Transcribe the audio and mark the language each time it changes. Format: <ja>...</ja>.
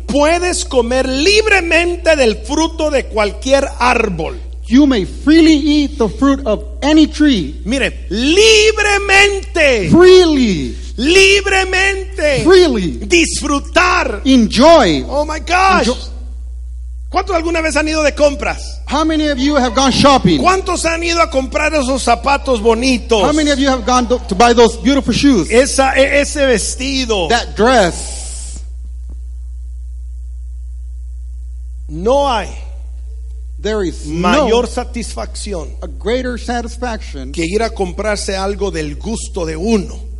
<es>Puedes comer libremente del fruto de cualquier árbol.</es> <en>You may freely eat the fruit of any tree.</en> <es>Mire, libremente.</es> <en>Freely.</en> <es>Libremente.</es> <en>Freely.</en> <es>Disfrutar.</es> <en>Enjoy. Oh my gosh.</en> <es>¿Cuántos alguna vez han ido de compras?</es> <en>How many of you have gone shopping?</en> <es>¿Cuántos han ido a comprar esos zapatos bonitos?</es> <en>How many of you have gone to buy those beautiful shoes?</en> <es>Ese vestido.</es> <en>That dress.</en> <es>No hay.</es> <en>There is</en> <es>mayor no satisfacción.</es> <en>A greater satisfaction.</en> <es>Que ir a comprarse algo del gusto de uno.</es>